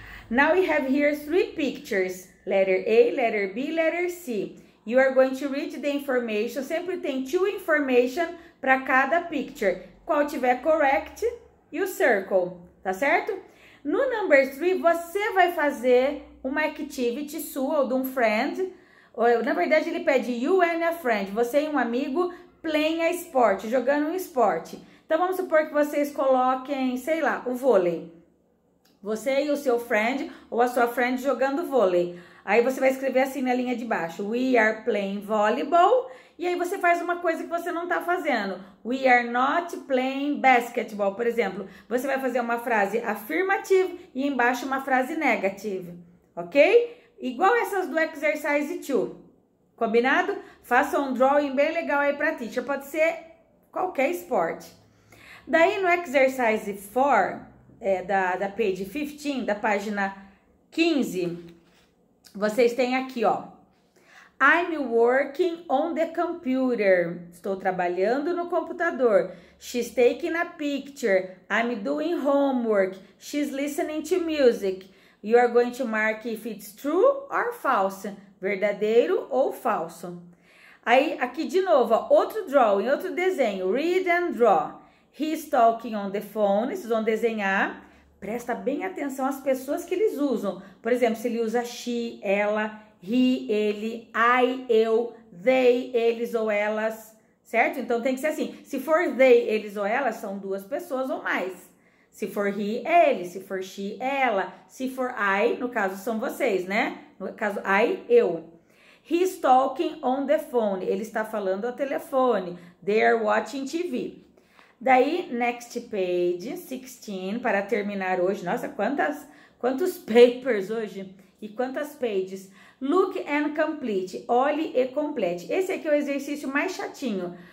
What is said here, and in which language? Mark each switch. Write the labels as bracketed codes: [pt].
[en] Now we have here three pictures. Letter A, letter B, letter C. You are going to read the information. [pt] Sempre tem [en] two information [pt] para cada picture. Qual tiver [en] correct, you circle. [pt] Tá certo? No number three, você vai fazer uma activity sua ou de um friend. Na verdade, ele pede [en] you and a friend. [pt] Você e um amigo playing a esporte, jogando um esporte. Então, vamos supor que vocês coloquem, sei lá, o vôlei. Você e o seu friend ou a sua friend jogando vôlei. Aí você vai escrever assim na linha de baixo. [en] We are playing volleyball. [pt] E aí você faz uma coisa que você não tá fazendo. [en] We are not playing basketball, [pt] por exemplo. Você vai fazer uma frase affirmative e embaixo uma frase negative. Ok? Igual essas do exercise 2. Combinado? Faça um drawing bem legal aí pra teacher. Pode ser qualquer esporte. Daí no exercise 4, da page 15, da página 15, vocês têm aqui, ó. [en] I'm working on the computer. [pt] Estou trabalhando no computador. [en] She's taking a picture. I'm doing homework. She's listening to music. You are going to mark if it's true or false. [pt] Verdadeiro ou falso. Aí, aqui de novo, ó, outro drawing, outro desenho. [en] Read and draw. He's talking on the phone. [pt] Vocês vão desenhar. Presta bem atenção às pessoas que eles usam. Por exemplo, se ele usa she, ela, he, ele, I, eu, they, eles ou elas. Certo? Então, tem que ser assim. Se for they, eles ou elas, são duas pessoas ou mais. Se for he, ele. Se for she, ela. Se for I, no caso, são vocês, né? No caso, I, eu. [en] He's talking on the phone. [pt] Ele está falando ao telefone. [en] They're watching TV. [pt] Daí, next page, 16, para terminar hoje. Nossa, quantos papers hoje? E quantas pages? [en] Look and complete. [pt] Olhe e complete. Esse aqui é o exercício mais chatinho.